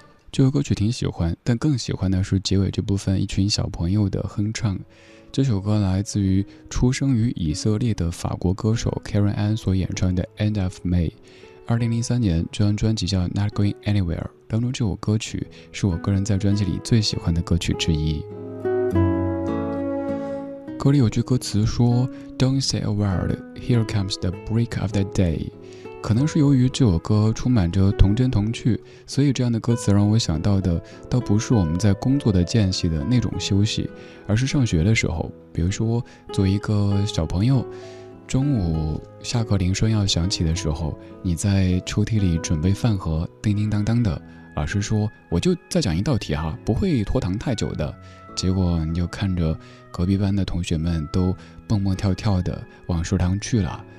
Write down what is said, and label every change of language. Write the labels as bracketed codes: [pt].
[zh] 这首歌曲挺喜欢，但更喜欢的是结尾这部分一群小朋友的哼唱。这首歌来自于出生于以色列的法国歌手 Karen Ann 所演唱的 End of May， 2003年这张专辑叫 Not Going Anywhere， 当中这首歌曲是我个人在专辑里最喜欢的歌曲之一。歌里有句歌词说 [en] Don't say a word, here comes the break of the day。 [zh] 可能是由于这首歌充满着童真童趣，所以这样的歌词让我想到的倒不是我们在工作的间隙的那种休息，而是上学的时候。比如说作为一个小朋友，中午下课铃声要响起的时候，你在抽屉里准备饭盒，叮叮当当的，老师说我就再讲一道题哈，不会拖堂太久的，结果你就看着隔壁班的同学们都蹦蹦跳跳的往食堂去了。